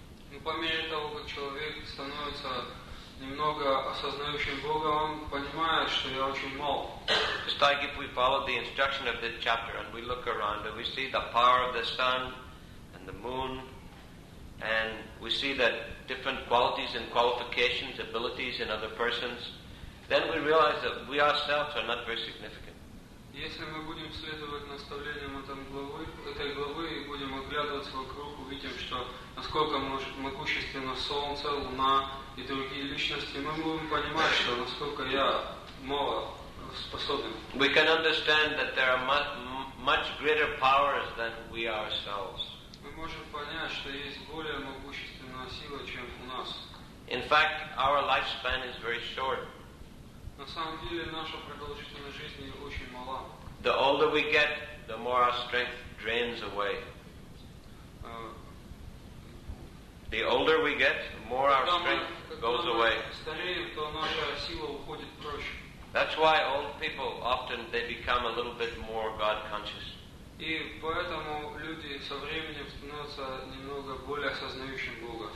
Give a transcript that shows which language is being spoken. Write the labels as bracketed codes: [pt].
[ru] Но по мере того, как человек становится немного осознающим Бога, он понимает, что я очень мал. [en] Just like if we follow the instruction of this chapter and we look around and we see the power of the sun and the moon, and we see that different qualities and qualifications, abilities in other persons, then we realize that we ourselves are not very significant. [ru] Если мы будем следовать наставлениям этой главы и будем оглядываться вокруг, увидим, что насколько могущественно Солнце, Луна и другие личности, мы будем понимать, что насколько я мало способен. [en] We can understand that there are much greater powers than we ourselves. [ru] Мы можем понять, что есть более могущественная сила, чем у нас. [en] In fact, our lifespan is very short. [ru] На самом деле наша продолжительность жизни очень мала. [en] The older we get, the more our strength drains away. The older we get, the more our strength goes away. [ru] Стареем, то наша сила уходит прочь. [en] That's why old people often they become a little bit more God conscious. [ru] И поэтому люди со временем становятся немного более осознающим Бога.